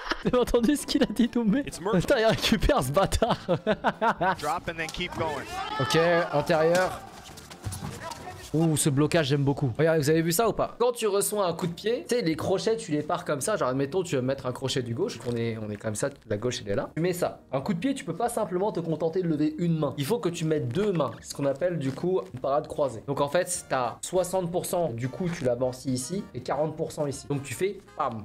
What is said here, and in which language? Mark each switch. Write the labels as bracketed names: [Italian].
[French] T'as entendu ce qu'il a dit tomber? Attends, il récupère ce bâtard. [English] Drop and then keep going. [French] Ok, intérieur. Ouh, ce blocage, j'aime beaucoup. Regardez, vous avez vu ça ou pas? Quand tu reçois un coup de pied, tu sais, les crochets, tu les pars comme ça. Genre, admettons, tu vas mettre un crochet du gauche. On est comme ça, la gauche, elle est là. Tu mets ça. Un coup de pied, tu peux pas simplement te contenter de lever une main. Il faut que tu mettes deux mains. Ce qu'on appelle, du coup, une parade croisée. Donc, en fait, t'as 60% du coup, tu l'avances ici et 40% ici. Donc, tu fais bam.